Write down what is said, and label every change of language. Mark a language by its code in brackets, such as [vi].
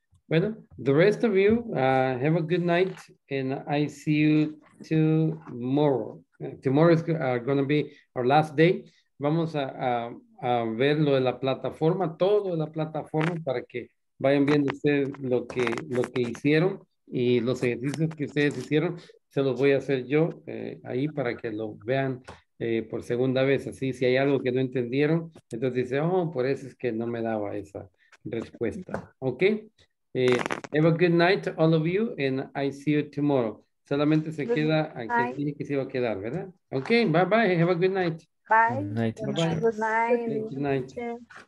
[en] Bueno, the rest of you, have a good night. And I see you tomorrow. Tomorrow is going to be our last day. [es] Vamos a ver lo de la plataforma, todo de la plataforma, para que vayan viendo ustedes lo que hicieron y los ejercicios que ustedes hicieron. Se los voy a hacer yo ahí para que lo vean por segunda vez. Así, si hay algo que no entendieron, entonces dice, oh, por eso es que no me daba esa respuesta. Ok. [en] Have a good night, all of you, and I see you tomorrow. [es] Solamente se good queda night. Aquí, tiene que se va a quedar, ¿verdad? [en] Ok, bye bye, have a good night. Bye. Night. Good night. Bye-bye. Good night. Good night.